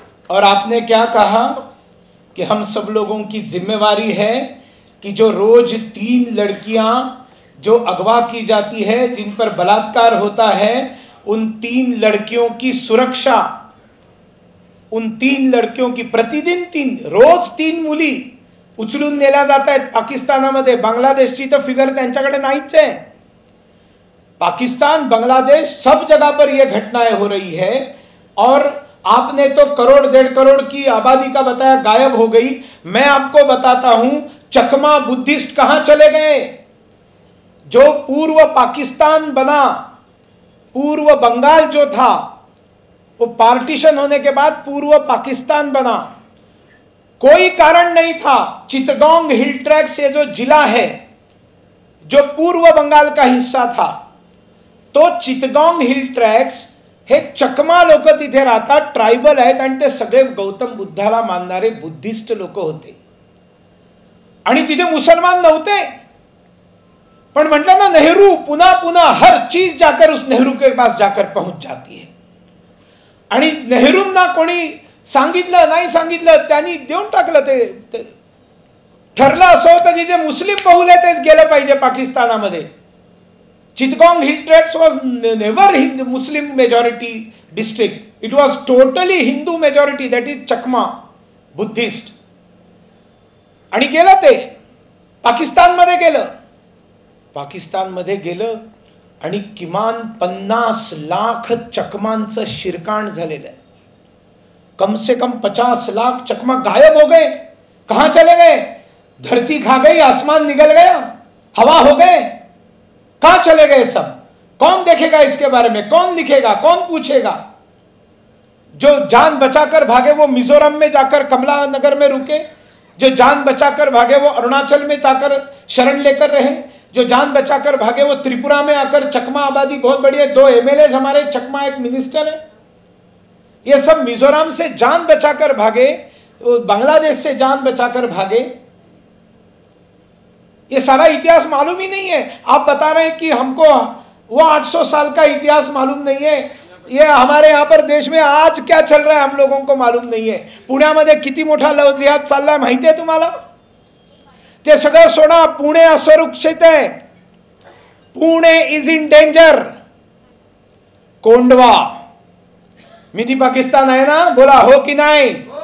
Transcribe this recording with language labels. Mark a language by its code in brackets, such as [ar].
[hi] और आपने क्या कहा कि हम सब लोगों की जिम्मेवारी है कि जो रोज 3 लड़कियां जो अगवा की जाती है, जिन पर बलात्कार होता है, उन 3 लड़कियों की सुरक्षा, उन 3 लड़कियों की प्रतिदिन 3 रोज [mr] 3 मुली उचलून नेला [hi] जाता है [mr] पाकिस्तानामध्ये. बांग्लादेशची तो फिगर त्यांच्याकडे नाहीच आहे. [hi] पाकिस्तान बांग्लादेश सब जगह पर यह घटनाएं हो रही है. और आपने तो 1.5 करोड़ की आबादी का बताया गायब हो गई. मैं आपको बताता हूं चकमा बुद्धिस्ट कहां चले गए. जो पूर्व पाकिस्तान बना, पूर्व बंगाल जो था वो पार्टीशन होने के बाद पूर्व पाकिस्तान बना. कोई कारण नहीं था. चितगांग हिल ट्रैक से जो जिला है जो पूर्व बंगाल का हिस्सा था, तो [mr] चितगांग हिल ट्रैक्स हे चकमा लोक तिथे राहतात, ट्राइबल आहेत आणि ते सगळे गौतम बुद्धाला मानणारे बुद्धिस्ट लोक होते. आणि तिथे मुसलमान नव्हते. पण म्हटलं ना नेहरू पुन्हा पुन्हा [hi] हर चीज जाकर उस नेहरू के पास जाकर पहुंच जाती [mr] है. आणि नेहरूंना कोणी सांगितलं नाही सांगितलं त्यांनी देऊन टाकलं. ते ठरलं असं होतं की जे मुस्लिम बहुल आहे तेच गेलं पाहिजे पाकिस्तानामध्ये. [en] Chittagong hill tracts was never Muslim majority district. It was totally Hindu majority, that is Chakma Buddhist. [mr] आणि गेलं ते पाकिस्तान मध्ये गेलं. पाकिस्तान मध्ये गेलं आणि किमान 50 लाख चकमांचं शिरकाण झालेलं आहे. [hi] कम से कम 50 लाख चकमा गायब हो गए. कहां चले गए? धरती खा गई, आसमान निकल गया, हवा हो गए. कहां चले गए सब? कौन देखेगा इसके बारे में? कौन लिखेगा? कौन पूछेगा? जो जान बचाकर भागे वो मिजोरम में जाकर कमला नगर में रुके, जो जान बचाकर भागे वो अरुणाचल में जाकर शरण लेकर रहे, जो जान बचाकर भागे वो त्रिपुरा में आकर चकमा आबादी बहुत बड़ी है, 2 MLA हमारे चकमा, 1 मिनिस्टर है. ये सब मिजोरम से जान बचाकर भागे, बांग्लादेश से जान बचाकर भागे. ये सारा इतिहास मालूम ही नहीं है. आप बता रहे हैं कि हमको वो 800 साल का इतिहास मालूम नहीं है. ये हमारे यहां पर देश में आज क्या चल रहा है हम लोगों को मालूम नहीं है. [mr] पुणे मध्ये किती मोठा लव जिहाद चालला आहे माहिती आहे तुम्हाला? ते सगळं सोडा, पुणे असुरक्षित आहे, [en] Pune is in danger. [mr] Kondhwa, मी ती पाकिस्तान आहे ना, बोला हो की नाही?